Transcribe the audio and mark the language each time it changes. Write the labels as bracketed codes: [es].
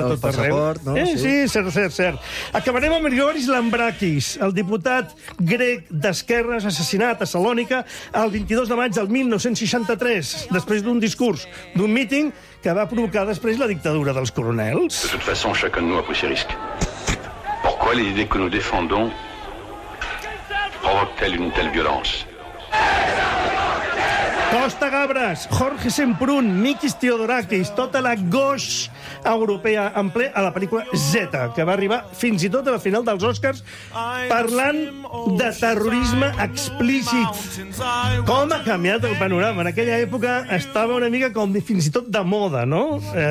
[ca] el tot arreu. El passaport, no? Sí, cert, cert, cert. Acabarem amb Grigoris Lambrakis, el diputat grec d'Esquerres assassinat a Salònica el 22 de maig del 1963, després d'un discurs, d'un míting que va provocar després la dictadura dels coronels. [fr] De toute façon, chacun de nous a pris ses risques. Pourquoi les idées que nous défendons provoquent-elles une telle violence? [ca] Costa Gabras, Jorge Semprún, Mikis Theodorakis, tota la gauche europea en ple a la pel·lícula Zeta, que va arribar fins i tot a la final dels Oscars parlant de terrorisme explícit. Com ha canviat el panorama? En aquella època estava una mica com fins i tot de moda, no?